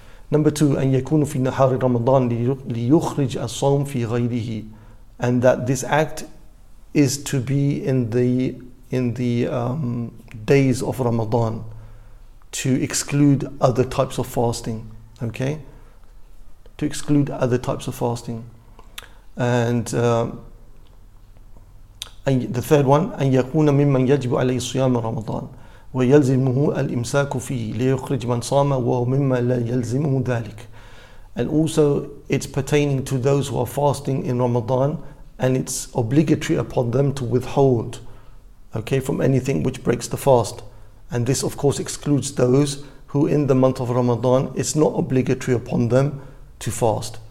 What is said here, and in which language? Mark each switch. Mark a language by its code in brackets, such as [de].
[en] Number two, [ar] أن يكون في نهار رمضان ليخرج الصوم في غيره, [en] and that this act is to be in the days of Ramadan to exclude other types of fasting. Okay, to exclude other types of fasting. And and the third one, [ar] أن يكون ممن يجب عليه صيام رمضان ويلزمه الإمساك فيه ليخرج من صام وهو مما لا يلزمه ذلك. [en] And also it's pertaining to those who are fasting in Ramadan and it's obligatory upon them to withhold, okay, from anything which breaks the fast. And this of course excludes those who in the month of Ramadan it's not obligatory upon them to fast.